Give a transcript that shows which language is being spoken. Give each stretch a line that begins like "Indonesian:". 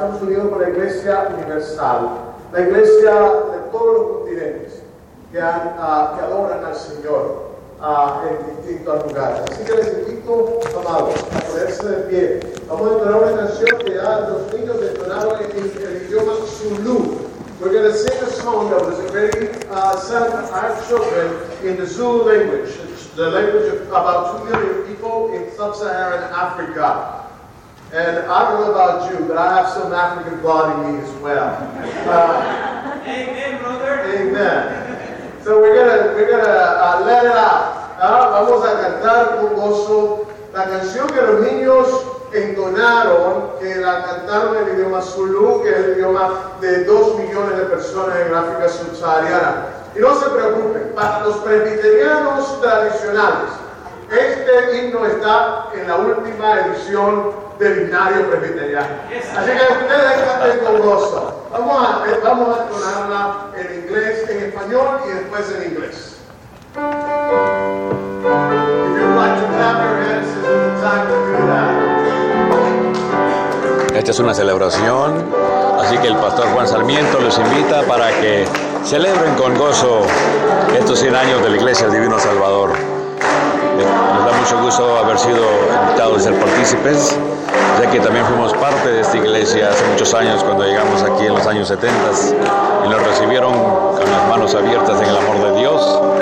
Spanish: Estamos unidos con la Iglesia universal, la Iglesia de todos los continentes que adoran al Señor en distintos lugares. Así que les invito, amados, a ponerse de pie. Vamos a entonar una canción que ya los niños detonaron en el idioma Zulu.
English: We're going to sing a song that was sung to our children in the Zulu language, the language of about 2 million people in sub-Saharan Africa. And I don't know about you, but I have some African blood in me as well. Amen, brother. Amen. So we're gonna let it out.
Spanish: Vamos a cantar con gozo la canción que los niños entonaron, que la cantaron en el idioma Zulu, que es el idioma de 2 millones de personas en África subsahariana. Y no se preocupen, para los presbiterianos tradicionales, este himno está en la última edición del himnario presbiteriano. Así que ustedes canten con gozo. Vamos a entonarla en inglés, en español y después en inglés.
English: If you'd like to clap your hands, it's time to do that.
Spanish: Esta es una celebración, así que el pastor Juan Sarmiento los invita para que Celebren con gozo estos 100 años de la Iglesia del Divino Salvador. Nos da mucho gusto haber sido invitados a ser partícipes, ya que también fuimos parte de esta iglesia hace muchos años cuando llegamos aquí en los años 70 y nos recibieron con las manos abiertas en el amor de Dios.